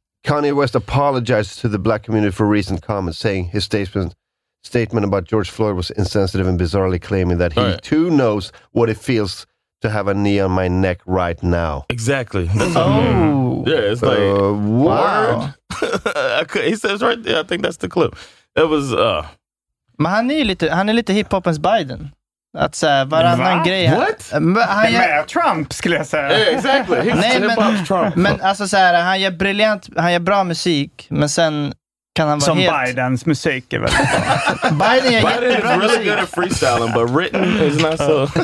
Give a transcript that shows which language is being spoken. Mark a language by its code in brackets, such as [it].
[en] Kanye West apologized to the black community for recent comments, saying his statement about George Floyd was insensitive and bizarrely claiming that he too knows what it feels to have a knee on my neck right now. Exactly. That's what I mean. Yeah, it's like, word. Wow. He says right there, I think that's the clip. It was, [sv] Men han är lite hiphopens Biden. Att säga, varannan grej. [en] What? [sv] Han är Trump, skulle jag säga. [en] Yeah, exactly. [sv] Nej, men alltså så här, han gör briljant, han gör bra musik, men sen kan han vara som helt... Bidens musik är väldigt bra. Biden är jättebra musik. [en] Biden is really good at freestyling, but written is not so...